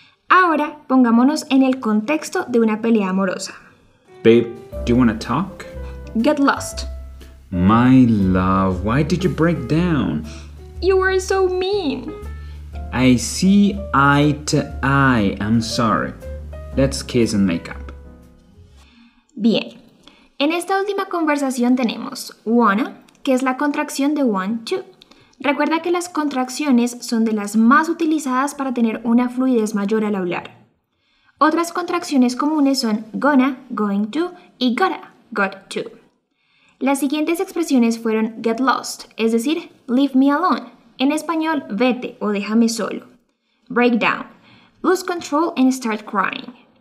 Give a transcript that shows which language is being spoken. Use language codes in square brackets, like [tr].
[es] Ahora pongámonos en el contexto de una pelea amorosa. [en] Babe, do you wanna talk? Get lost. My love, why did you break down? You were so mean. I see eye to eye. I'm sorry. Let's kiss and make up. [es] Bien. En esta última conversación tenemos wanna, que es la contracción de want to. Recuerda que las contracciones son de las más utilizadas para tener una fluidez mayor al hablar. Otras contracciones comunes son gonna, going to, y gotta, got to. Las siguientes expresiones fueron get lost, es decir, [en] leave me alone. [es] En español, vete o déjame solo. [en] Break down, lose control and start crying.